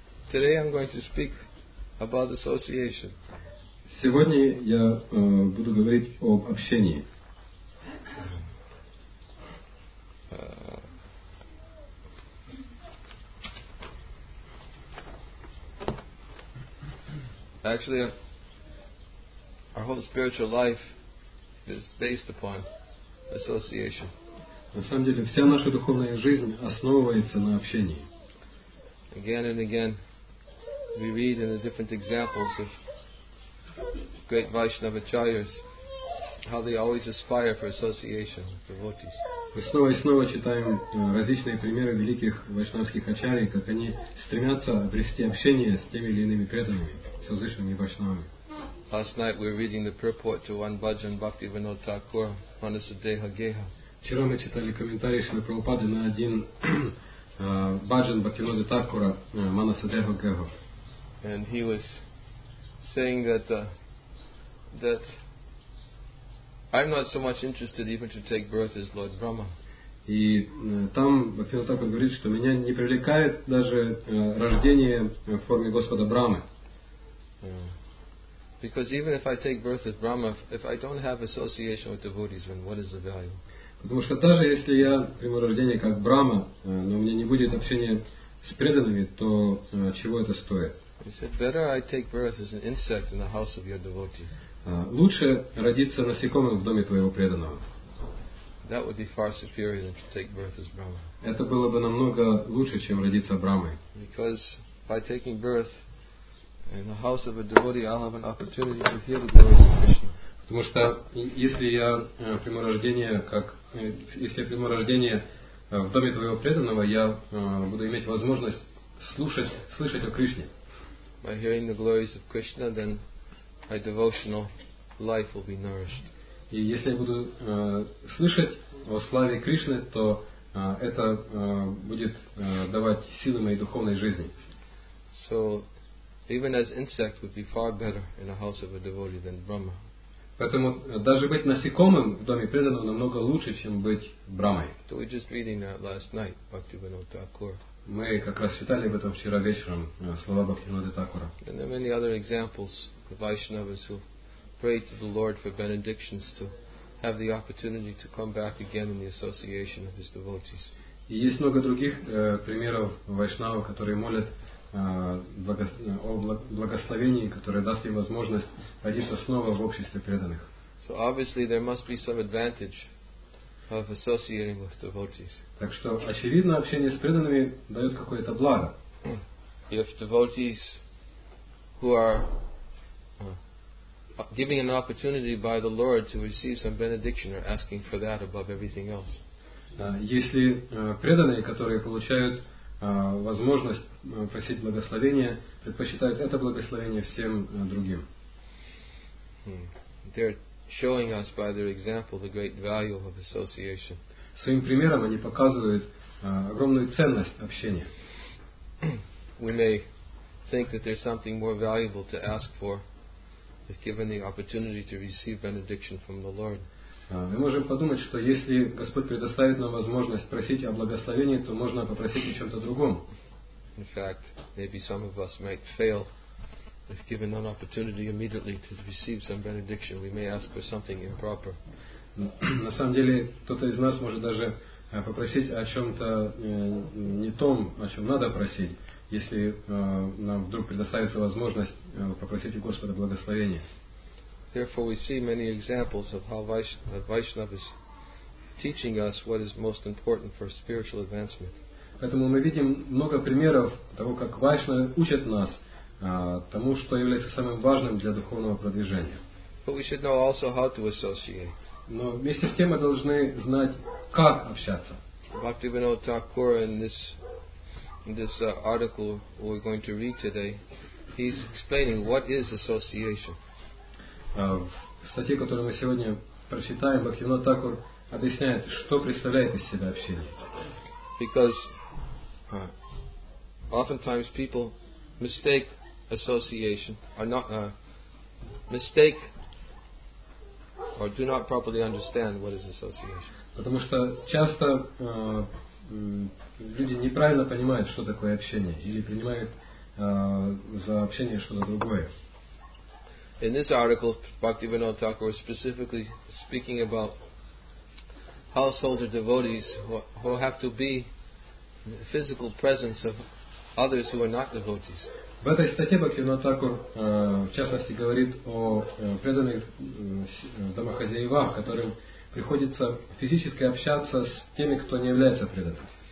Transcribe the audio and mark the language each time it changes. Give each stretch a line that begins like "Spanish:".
English: Today I'm going to speak about association.
Russian: Сегодня я буду говорить об общении.
English: Actually, our whole spiritual life is based upon association.
Russian: На самом деле, вся наша духовная жизнь основывается на общении.
English: Again and again, we read in the different examples of great Vaishnava acharyas how they always aspire for association with devotees.
Russian: Мы снова и снова читаем различные примеры великих вайшнавских ачарий, как они стремятся обрести общение с теми или иными преданными, с возвышенными вайшнавами.
English: Last night we were reading the purport to One Bhajan Bhakti Vinod Thakur Manasadeha Geha.
Russian: Вчера мы читали комментарий Шрилы Прабхупады на один Bhajan Bhakti Vinod Thakura Manasadeha Geha.
English: And he was saying that that I'm not so much interested even to take birth as Lord Brahma.
Russian: И там Bhakti Vinod Thakur говорит, что меня не привлекает даже рождение в форме Господа Брамы.
English: Because even if I take birth as Brahma, if I don't have association with devotees, then what is the value?
Russian: Потому что даже если я приму рождение как Брама, но у меня не будет общения с преданными, то чего это стоит?
English: He said, better I take birth as an insect in the house of your devotee.
Russian: Лучше родиться насекомым в доме твоего преданного.
English: That would be far superior than to take birth as Brahma.
Russian: Это было бы намного лучше, чем родиться Брамой.
English: Because by taking birth in the house of a devotee, I'll have an opportunity to hear the glories of Krishna.
Russian: Потому что если я приму рождение как если я приму рождение в доме твоего преданного, я буду иметь возможность слышать о Кришне.
English: By hearing the glories of Krishna, then my devotional life will be nourished.
Russian: И если я буду слышать о славе Кришны, то это будет давать силы моей духовной жизни.
English: So, even as insect would be far better in a house of a devotee than Brahma.
Russian: Поэтому даже быть насекомым в доме преданного намного лучше, чем быть Брахмой.
English: So we're just reading that last night, Bhaktivinoda Thakura.
Russian: Мы как раз читали об этом вчера вечером слова Бхактивинода Такура.
English: And there are many other examples of Vaishnavas who pray to the Lord for benedictions to have the opportunity to come back again in the association of his devotees.
Russian: И есть много других примеров вайшнава, которые молят о благословении, которое даст им возможность родиться снова в обществе преданных.
English: So obviously there must be some advantage of associating with devotees.
Russian: Так что очевидно, общение с преданными дает какое-то благо.
English: If devotees who are giving an opportunity by the Lord to receive some benediction are asking for that above everything else.
Russian: Если преданные, которые получают возможность просить благословения, предпочитают это благословение всем другим.
English: They're showing us by their example the great value of association.
Russian: Своим примером они показывают огромную ценность общения.
English: We may think that there's something more valuable to ask for if given the opportunity to receive benediction from the Lord.
Russian: Мы можем подумать, что если Господь предоставит нам возможность просить о благословении, то можно попросить о чем-то другом.
English: In fact, maybe some of us might fail if given an opportunity immediately to receive some benediction. We may ask for something improper.
Russian: На самом деле, кто-то из нас может даже попросить о чем-то не том, о чем надо просить, если нам вдруг предоставится возможность попросить у Господа благословения.
English: Therefore, we see many examples of how Vaishnava is teaching us what is most important for spiritual advancement.
Russian: Поэтому мы видим много примеров того, как Вайшнавы учат нас тому, что является самым важным для духовного продвижения.
English: But we should know also how to associate.
Russian: Но вместе с тем мы должны знать, как общаться.
English: Bhaktivinoda Thakura in this article we're going to read today, he's explaining what is association.
Russian: В статье, которую мы сегодня прочитаем, Бхактивинода Такур объясняет, что представляет из себя общение.
English: Because oftentimes people mistake association or not mistake or do not properly understand what is association.
Russian: Потому что часто люди неправильно понимают, что такое общение, или принимают за общение что-то другое.
English: In this article, Bhaktivinoda Thakur is specifically speaking about householder devotees who have to be the physical presence of others who are not devotees.
Russian: В этой статье Бхактивинода Такур, в частности, говорит о преданных домохозяевах, которым приходится физически общаться с теми, кто не является преданным.